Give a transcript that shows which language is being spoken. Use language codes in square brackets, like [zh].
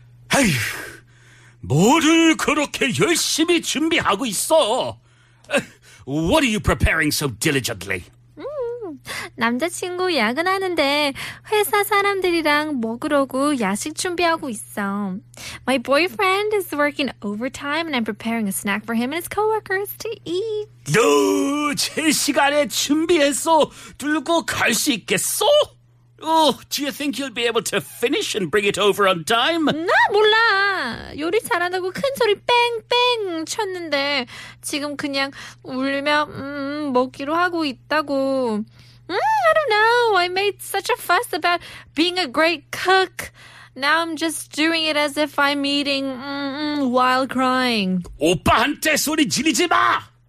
[ko] Hey, 뭐를 그렇게 열심히 준비하고 있어? [en] What are you preparing so diligently? [ko] 남자친구 야근하는데 회사 사람들이랑 먹으려고 야식 준비하고 있어. [en] My boyfriend is working overtime and I'm preparing a snack for him and his coworkers to eat. [ko] 너 제 시간에 준비해서 들고 갈 수 있겠어? [en] Oh, do you think you'll be able to finish and bring it over on time? [ko] 나 몰라. 요리 잘한다고 큰 소리 뺑뺑 쳤는데 지금 그냥 울며 먹기로 하고 있다고. [en] I don't know. I made such a fuss about being a great cook. Now I'm just doing it as if I'm eating while crying. [ko] 오빠한테 소리 지르지 마.